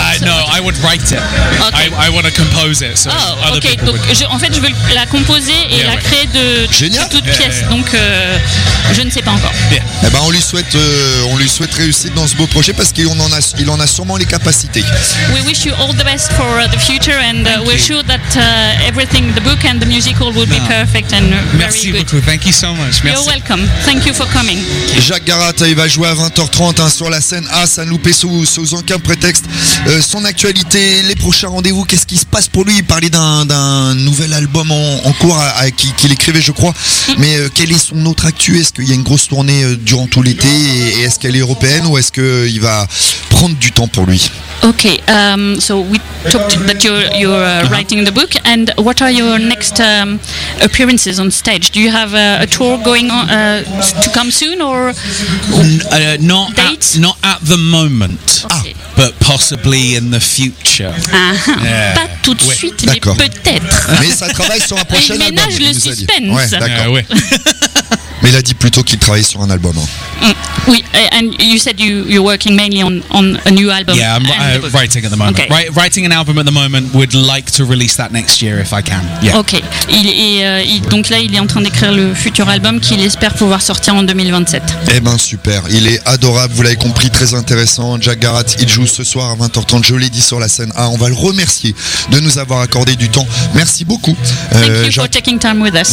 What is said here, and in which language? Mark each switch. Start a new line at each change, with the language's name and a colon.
English: No, I would write it. Okay. I want to compose it. So okay.
French: Donc je veux la composer et la créer de toute pièce.
English: Yeah.
French: Donc je ne sais pas encore.
English: Yeah.
French: Eh ben on lui souhaite réussite dans ce beau projet parce qu'il en a sûrement les capacités.
English: We wish you all the best for the future and we're sure that everything, the book and the musical will be perfect and
French: merci
English: very good.
French: Beaucoup.
English: Thank you so much.
French: Merci.
English: You're welcome. Thank you for coming.
French: Jacques Garat, il va jouer à 20h30 hein, sur la scène A, ça nous paie sous aucun prétexte. Son actualité, les prochains rendez-vous, qu'est-ce qui se passe pour lui? Il parlait d'un nouvel album en cours qu'il écrivait, je crois. Mais quelle est son autre actu? Est-ce qu'il y a une grosse tournée durant tout l'été et est-ce qu'elle est européenne ou est-ce qu'il va prendre du temps pour lui?
English: Ok, so we talked that you're writing the book and what are your next appearances on stage? Do you have a tour going on to come soon or not date? Not at the moment. Ah. But possibly in the future.
French: Pas tout de suite, d'accord. Mais peut-être. Mais ça travaille sur un prochain album. Il ménage le suspense. Ouais, d'accord. Ouais. Mais il a dit plutôt qu'il travaillait sur un album. Hein. Oui,
English: and you said you're working mainly on a new album. Yeah, I'm writing at the moment. Okay. Writing an album at the moment. Would like to release that next year if I can. Yeah. Okay.
French: Donc là, il est en train d'écrire le futur album qu'il espère pouvoir sortir en 2027. Eh ben super. Il est adorable. Vous l'avez compris, très intéressant. Jack Garat, il joue ce soir à 20h30. Je l'ai dit sur la scène. Ah, on va le remercier de nous avoir accordé du temps. Merci beaucoup.
English: Thank you for taking time with us.